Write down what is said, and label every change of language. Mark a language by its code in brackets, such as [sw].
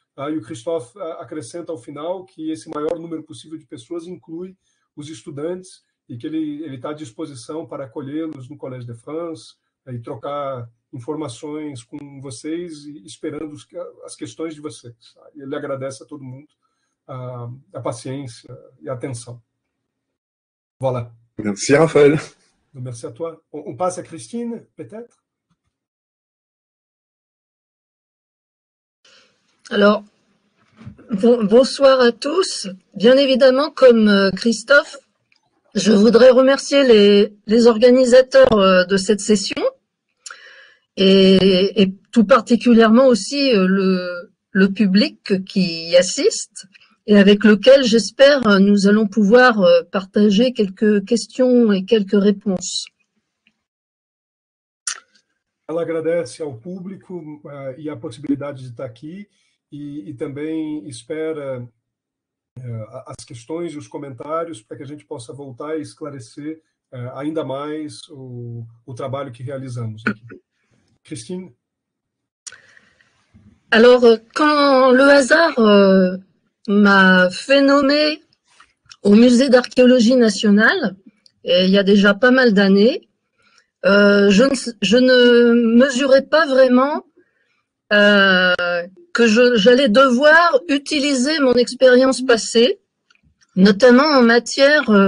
[pt] E o Christophe acrescenta ao final que esse maior número possível de pessoas inclui os estudantes e que ele está à disposição para acolhê-los no Collège de France e trocar informações com vocês, esperando as questões de vocês. Ele agradece a todo mundo a paciência e a atenção. [fr] Voilà. Merci, Raphaël. Merci à toi. On passe à Christine, peut-être? Alors, bonsoir à tous. Bien évidemment, comme Christophe, je voudrais remercier les organisateurs de cette session et tout particulièrement aussi le public qui y assiste et avec lequel, j'espère, nous allons pouvoir partager quelques questions et quelques réponses. [pt] Elle agradece ao público e à possibilidade de estar aqui. E também espera as questões e os comentários para que a gente possa voltar e esclarecer ainda mais o trabalho que realizamos aqui. Christine? [fr] Alors, quand le hasard m'a fait nommer au Musée d'archéologie nationale, et il y a déjà pas mal d'années, je ne mesurais pas vraiment que j'allais devoir utiliser mon expérience passée, notamment en matière